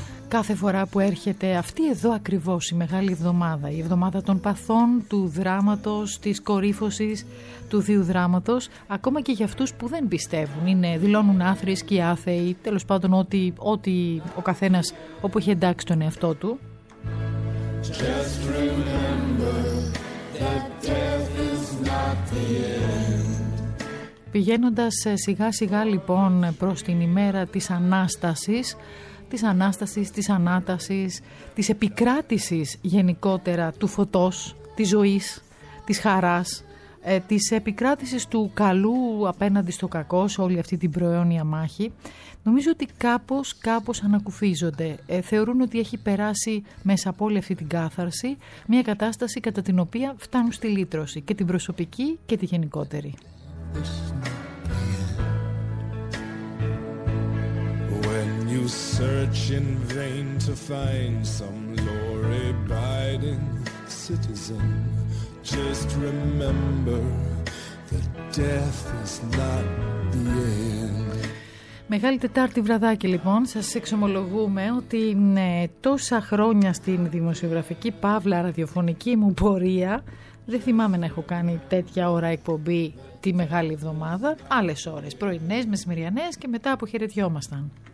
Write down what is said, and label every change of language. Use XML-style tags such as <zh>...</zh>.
<el>κάθε φορά που έρχεται αυτή εδώ ακριβώς η μεγάλη εβδομάδα, η εβδομάδα των παθών, του δράματος, της κορύφωσης, του θείου δράματος, ακόμα και για αυτούς που δεν πιστεύουν, είναι, δηλώνουν άθροισκοι, άθεοι, τέλος πάντων ό,τι ο καθένας όπου έχει εντάξει τον εαυτό του.</el> <en>Just remember that death is not the end.</en> <el>Πηγαίνοντας σιγά σιγά λοιπόν προς την ημέρα της Ανάστασης, της Ανάστασης, της Ανάτασης, της επικράτησης γενικότερα του φωτός, της ζωής, της χαράς, της επικράτησης του καλού απέναντι στο κακό σε όλη αυτή την προαιώνια μάχη, νομίζω ότι κάπως ανακουφίζονται. Θεωρούν ότι έχει περάσει μέσα από όλη αυτή την κάθαρση μια κατάσταση κατά την οποία φτάνουν στη λύτρωση και την προσωπική και τη γενικότερη.</el> <en>When you search in vain to find some law-abiding citizen, just remember that death is not the end.</en> <el>Μεγάλη Τετάρτη βραδάκι λοιπόν, σας εξομολογούμε ότι τόσα χρόνια στην δημοσιογραφική παύλα ραδιοφωνική μου πορεία δεν θυμάμαι να έχω κάνει τέτοια ώρα εκπομπή τη Μεγάλη Εβδομάδα, άλλες ώρες, πρωινές, μεσημεριανές και μετά αποχαιρετιόμασταν.</el>